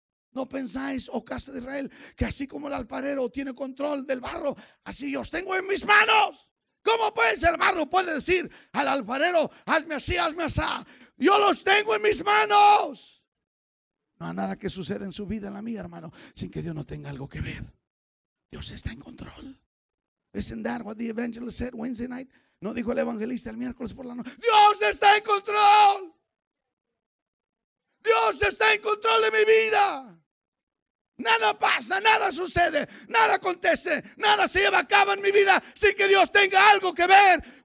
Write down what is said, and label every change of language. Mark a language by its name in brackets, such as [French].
[Spanish] No pensáis, oh casa de Israel, que así como el alfarero tiene control del barro, así yo os tengo en mis manos. ¿Cómo pues el barro puede decir al alfarero, hazme así, hazme así? Yo los tengo en mis manos. No hay nada que suceda en su vida, en la mía, hermano, sin que Dios no tenga algo que ver. Dios está en control. [English] Isn't that what the evangelist said Wednesday night? [Spanish] No dijo el evangelista el miércoles por la noche. Dios está en control. Dios está en control de mi vida. Nada pasa, nada sucede, nada acontece, nada se lleva a cabo en mi vida sin que Dios tenga algo que ver.